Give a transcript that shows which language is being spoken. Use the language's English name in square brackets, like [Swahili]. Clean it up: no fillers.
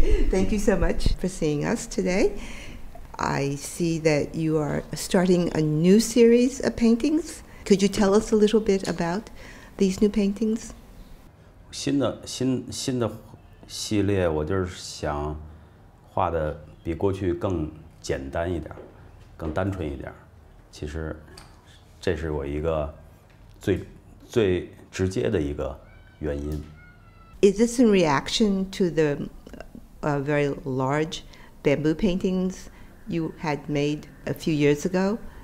[English] Thank you so much for seeing us today. I see that you are starting a new series of paintings. Could you tell us a little bit about these new paintings? [Chinese] 新的系列我就是想画的比过去更简单一点，更单纯一点。其实，这是我一个最直接的一个原因。 [English] Is this in reaction to the very large bamboo paintings you had made a few years ago?